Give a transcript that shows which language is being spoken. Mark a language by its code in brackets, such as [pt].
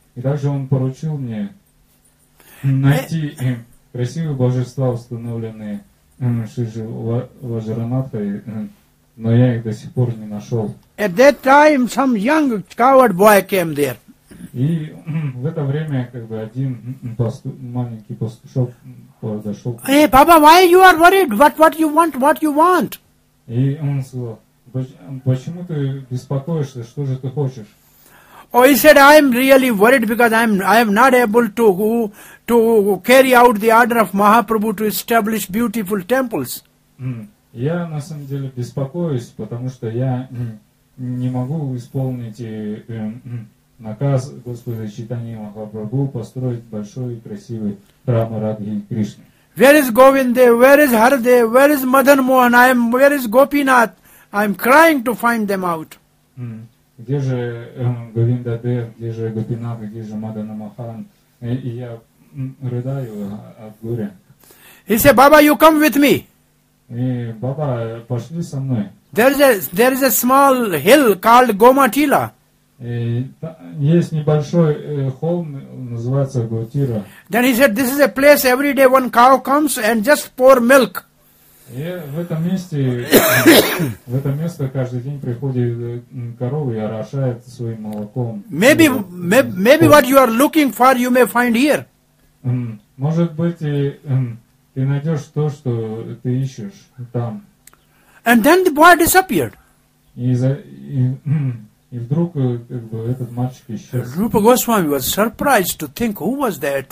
[ru] И также он поручил мне найти красивые божества, установленные Шриджи Ваджранатхой, но я их до сих пор не нашел. [en] At that time, some young coward boy came there. [ru] И в это время как бы один маленький пастушок подошел. [en] Hey, Baba, why you are worried? What you want? What you want? [ru] И он сказал: почему ты беспокоишься? Что же ты хочешь? [en] Oh, he said, I am really worried because I am not able to carry out the order of Mahaprabhu to establish beautiful temples. [ru] Я на самом деле беспокоюсь, потому что я не могу исполнить наказ Господа Чайтаньи Махапрабху построить большой и красивый храм Радхи Кришны. [en] Where is Govindadev? Where is Haradev? Where is Madan Mohan? Where is Gopinath? I am crying to find them out. [ru] Где же Говиндадев, где же Гопинатх, где же Мадана Махан? И я рыдаю от горя. [en] He said, Baba, you come with me. [ru] И Баба, пошли со мной. [en] There is a small hill called Gomatila. [ru] Есть небольшой холм, называется Готира. [en] Then he said, this is a place every day one cow comes and just pour milk. [ru] И в этом месте, в это место каждый день приходит корова и орошает своим молоком. [en] Maybe what you are looking for, you may find here. [ru] Может быть, ты найдешь то, что ты ищешь там. [en] And then the boy disappeared. [ru] И вдруг этот мальчик исчез. [en] Rupa Goswami was surprised to think, who was that?